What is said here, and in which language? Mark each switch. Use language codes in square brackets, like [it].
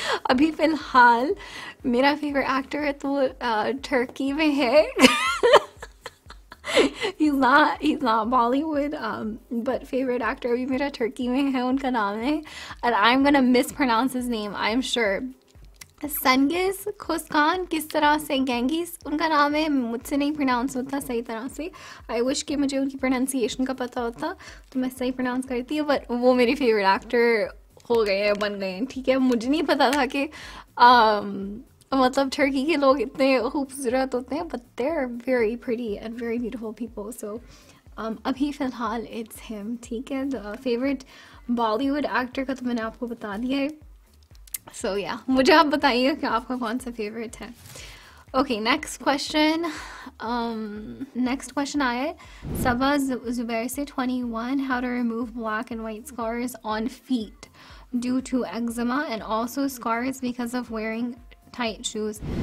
[hi] अभी फ़िलहाल मेरा फेवरेट एक्टर है तो टर्की में है. [en] He's not Bollywood, but favorite actor [hi] अभी मेरा टर्की में है. उनका नाम है, [en] and I'm gonna mispronounce his name, I'm sure. [hi] संगीस खुस्कान, किस तरह से गेंगिस उनका नाम है, मुझसे नहीं प्रोनाउंस होता सही तरह से. आई विश कि मुझे उनकी प्रोनाउंसिएशन का पता होता तो मैं सही प्रोनाउंस करती हूँ, बट वो मेरे फेवरेट एक्टर हो गए हैं, बन गए हैं. ठीक है, मुझे नहीं पता था कि मतलब टर्की के लोग इतने खूबसूरत होते हैं, [en] But they are very pretty and very beautiful people. [hi] सो अभी फ़िलहाल [en] It's him. [hi] ठीक है, द फेवरेट बॉलीवुड एक्टर का तो मैंने आपको बता दिया है. सो या मुझे आप बताइए कि आपका कौन सा फेवरेट है. ओके, नेक्स्ट क्वेश्चन आया है सबा जुबैर से. [en] 21, how to remove black and white scars on feet due to eczema and also scars because of wearing tight shoes.